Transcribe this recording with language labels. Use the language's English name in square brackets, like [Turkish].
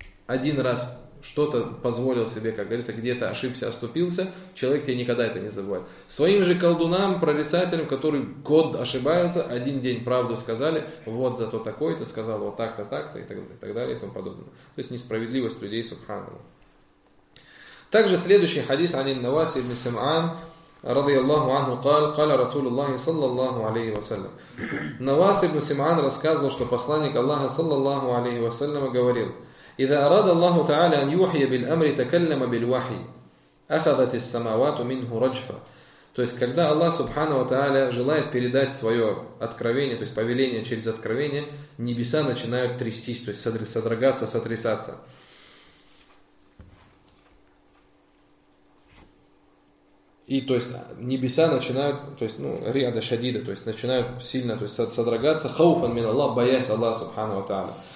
[Russian] Один раз что-то позволил себе, как говорится, где-то ошибся, оступился, человек тебе никогда это не забывает. Своим же колдунам, прорицателям, которые год ошибаются, один день правду сказали, вот зато такой-то сказал, вот так-то, так-то и так далее и тому подобное. То есть несправедливость людей, субханаллах. Также следующий хадис [Arabic] عن النواس بن سمعان رضي الله عنه قال قال رسول الله صلى الله عليه وسلم. [Russian] Навас ибн Симан рассказывал, что посланник Аллаха [Arabic] صلى الله عليه وسلم [Russian] говорил: [Arabic] إذا أراد الله تعالى أن يوحي بالأمر تكلم بالوحي أخذت السماوات منه رجفة. [Russian] То есть когда Аллах Субхану ва Та'аля желает передать свое откровение, то есть повеление через откровение, небеса начинают трястись, то есть содрогаться, сотрясаться. И то есть небеса начинают, то есть, ну, [Arabic] риада шадида, [Russian] то есть начинают сильно, то есть содрогаться, [Arabic] хауфан мин Аллах, [Russian] боясь Аллаха субхана ва тааля.